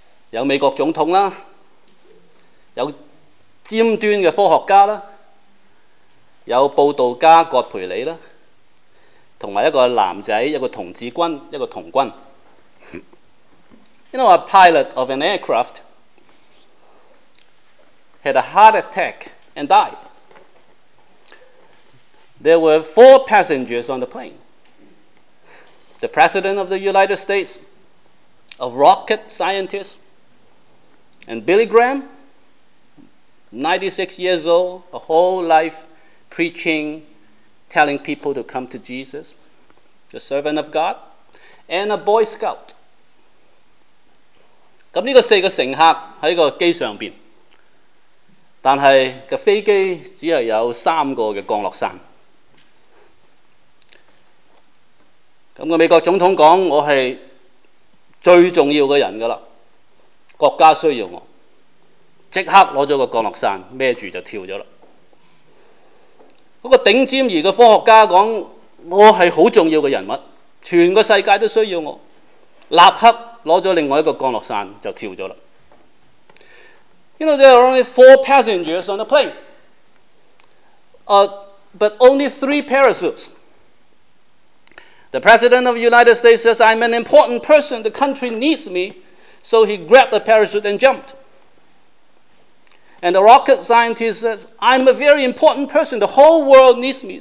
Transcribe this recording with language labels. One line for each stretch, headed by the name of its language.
Cantonese: 有美國總統啦，有尖端的科學家啦，有報道家葛培理啦，同埋一個男仔，一個童子軍，一個童軍。
English: You know, a pilot of an aircraft had a heart attack and died. There were four passengers on the plane. The president of the United States, a rocket scientist,and Billy Graham, 96 years old, a whole life preaching, telling people to come to Jesus, the servant of God, and a Boy Scout.
Cantonese: 咁呢个四个乘客喺个机上边，但系个飞机只系有三个嘅降落伞。咁个美国总统讲：我系最重要嘅人噶啦，国家需要我。即刻攞咗个降落伞孭住就跳咗啦。嗰个顶尖儿嘅科学家讲：我系好重要嘅人物，全个世界都需要我。立刻攞咗另外一个降落伞就跳咗啦。
English: You know there are only four passengers on the plane. but only three parachutes. The president of the United States says, I'm an important person, the country needs me. So he grabbed the parachute and jumped. And the rocket scientist says, I'm a very important person, the whole world needs me.